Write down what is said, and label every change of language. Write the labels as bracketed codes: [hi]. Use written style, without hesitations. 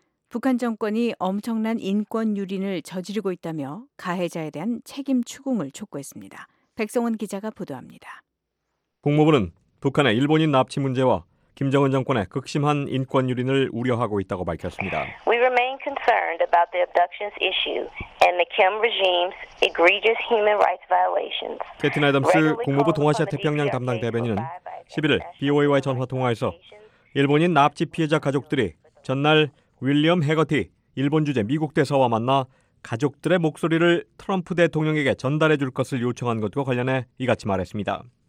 [ko] 북한 정권이 엄청난 인권 유린을 저지르고 있다며 가해자에 대한 책임 추궁을 촉구했습니다. 백성원 기자가 보도합니다. 국무부는 북한의 일본인 납치 문제와 김정은 정권의 극심한 인권 유린을 우려하고 있다고 밝혔습니다. [en] We remain concerned about the abductions issue and the Kim regime's egregious human rights violations. [ko] 캐티 애덤스 국무부 동아시아 태평양 담당 대변인은 11일 BOA와의 전화 통화에서 일본인 납치 피해자 가족들이 전날 윌리엄 해거티 일본 주재 미국 대사와 만나 가족들의 목소리를 트럼프 대통령에게 전달해 줄 것을 요청한 것과 관련해 이같이 말했습니다.